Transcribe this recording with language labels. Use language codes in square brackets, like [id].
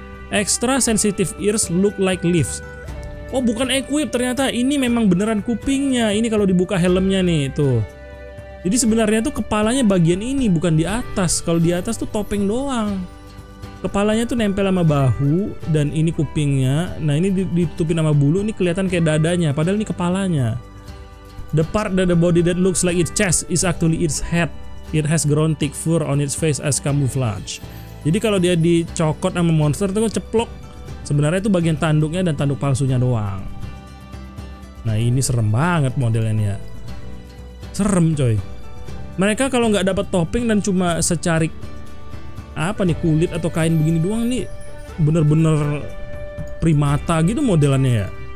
[en] Extra sensitive ears look like leaves. [id] Oh, bukan equip, ternyata ini memang beneran kupingnya. Ini kalau dibuka helmnya nih, tuh. Jadi sebenarnya tuh kepalanya bagian ini, bukan di atas. Kalau di atas tuh topeng doang. Kepalanya tuh nempel sama bahu dan ini kupingnya. Nah, ini ditutupin sama bulu, ini kelihatan kayak dadanya, padahal ini kepalanya. [en] The part of the body that looks like its chest is actually its head. It has grown thick fur on its face as camouflage. [id] Jadi kalau dia dicokot sama monster tuh ceplok, sebenarnya itu bagian tanduknya dan tanduk palsunya doang. Nah ini serem banget modelnya nih ya. Serem coy. Mereka kalau nggak dapat topping dan cuma secarik apa nih, kulit atau kain begini doang, nih bener-bener primata gitu modelannya ya.